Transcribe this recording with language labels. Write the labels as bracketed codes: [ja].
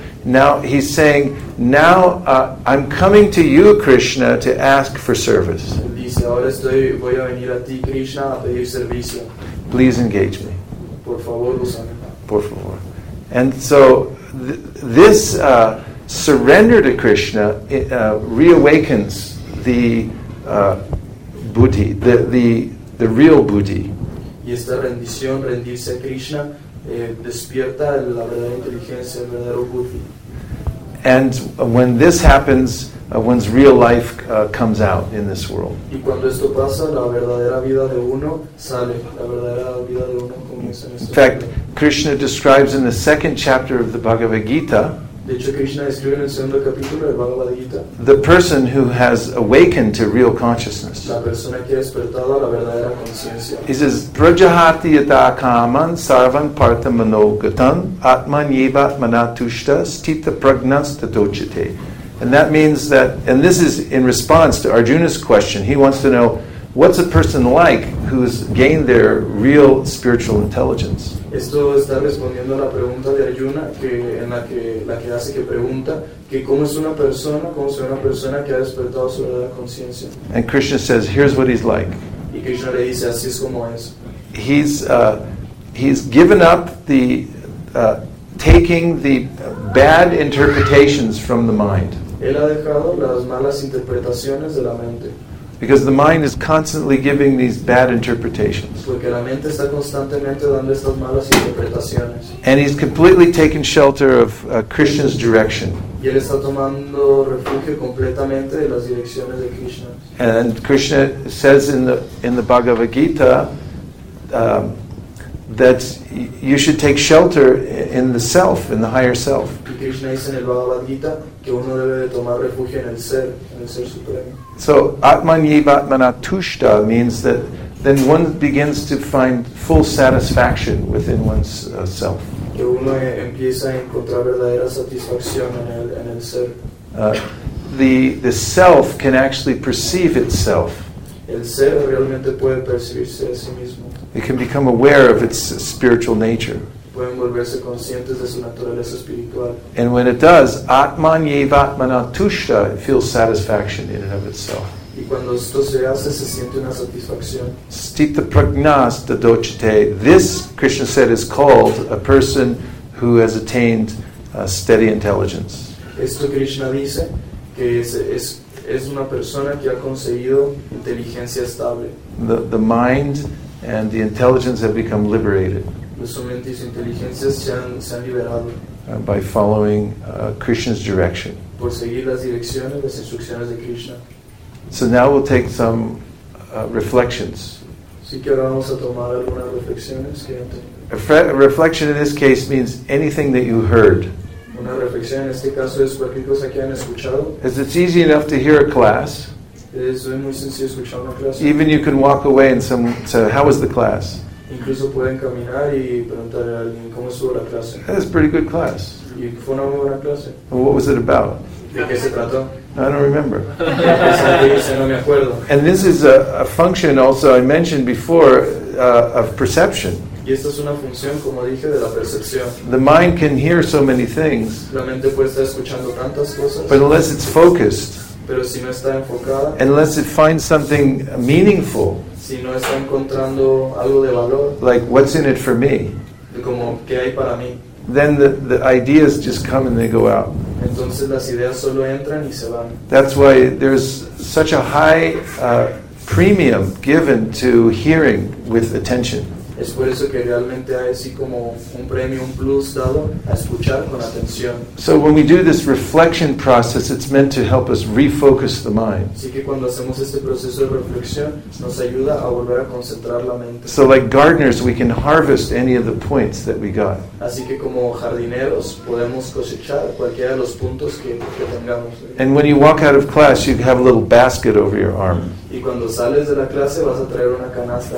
[en] Now he's saying, now I'm coming to you, Krishna, to ask for service. [es] Dice, ahora estoy, voy a venir a ti, Krishna, a pedir servicio. [en] Please engage me. [es] Por favor, usame. Por favor. [en] And so this surrender to Krishna reawakens the buddhi, the real buddhi. [es] Y esta rendición, rendirse a Krishna, despierta la verdadera inteligencia, el verdadero buddhi. [en] And when this happens, one's real life comes out in this world. [es] Y cuando esto pasa, la verdadera vida de uno sale, la verdadera vida de uno comienza en este. [en] In fact, Krishna describes in the second chapter of the Bhagavad Gita, [es] de hecho, Krishna describe en el segundo capítulo del Bhagavad Gita, [en] the person who has awakened to real consciousness. [es] La persona que ha despertado a la verdadera consciencia. [sa] He says, Prajahati yata kaman sarvan partha manogatan atman yeva manatushta stita prajnas tatochite. [en] And that means that, and this is in response to Arjuna's question. He wants to know, what's a person like who's gained their real spiritual intelligence? [es] Esto está respondiendo a la pregunta de Arjuna, que en la que hace que pregunta que cómo es una persona que ha despertado su verdadera conciencia. [en] And Krishna says, here's what he's like. [es] Y Krishna le dice, así es como es. [en] He's given up the taking the bad interpretations from the mind. [es] Él ha dejado las malas interpretaciones de la mente. [en] Because the mind is constantly giving these bad interpretations. [es] Porque la mente está constantemente dando estas malas interpretaciones. [en] And he's completely taken shelter of Krishna's direction. [es] Y él está tomando refugio completamente de las direcciones de Krishna. [en] And Krishna says in the Bhagavad Gita that you should take shelter in the self, in the higher self. [es] Y Krishna dice en el Bhagavad Gita que uno debe de tomar refugio en el ser, en el ser supremo. [en] So [sa] Atman Yiva Atmana Tushta [en] means that then one begins to find full satisfaction within one's self. [es] Uno empieza a encontrar verdadera satisfacción en el ser. [en] The self can actually perceive itself. [es] El ser realmente puede percibirse a sí mismo. [en] It can become aware of its spiritual nature. [es] Pueden volverse conscientes de su naturaleza espiritual. [en] And when it does, [sa] Atman Yiva Atmana Tushta, [en] it feels satisfaction in and of itself. [es] Y cuando esto se hace, se siente una satisfacción. [sa] Stita Prajnas Dadochite. [en] This, Krishna said, is called a person who has attained steady intelligence. [es] Esto Krishna dice que es una persona que ha conseguido inteligencia estable. [en] The mind and the intelligence have become liberated. [es] Su mente y su inteligencia se han liberado. [en] By following Krishna's direction. [es] Por seguir las direcciones, las instrucciones de Krishna. [en] So now we'll take some reflections. [es] Sí, que ahora vamos a tomar algunas reflexiones que [en] reflection in this case means anything that you heard. [es] Una reflexión en este caso es cualquier cosa que hayan escuchado. [en] As it's easy enough to hear a class. [es] Es muy sencillo escuchar una clase. [en] Even you can walk away and some say, how was the class? [es] Incluso pueden caminar y preguntar a alguien cómo estuvo la clase. [en] That's a pretty good class. [es] Y fue una muy buena clase. [en] Well, what was it about? [es] ¿De qué se trató? [en] I don't remember. And this is a function also I mentioned before of perception. [es] Y esta es una función, como dije, de la percepción. [en] The mind can hear so many things. [es] La mente puede estar escuchando tantas cosas. [en] But unless it's focused. [es] Pero si no está enfocada. [en] Unless it finds something meaningful. [es] Si no está encontrando algo de valor. [en] Like what's in it for me? [es] Como qué hay para mí. [en] Then the ideas just come and they go out. [es] Entonces, las ideas solo entran y se van. [en] That's why there's such a high premium given to hearing with attention. [es] Es por eso que realmente hay así como un premium plus dado a escuchar con atención. [en] So when we do this reflection process, it's meant to help us refocus the mind. [es] Así que cuando hacemos este proceso de reflexión, nos ayuda a volver a concentrar la mente. [en] So like gardeners, we can harvest any of the points that we got. [es] Así que como jardineros, podemos cosechar cualquiera de los puntos que tengamos. [en] And when you walk out of class, you have a little basket over your arm. [es] Y cuando sales de la clase vas a traer una canasta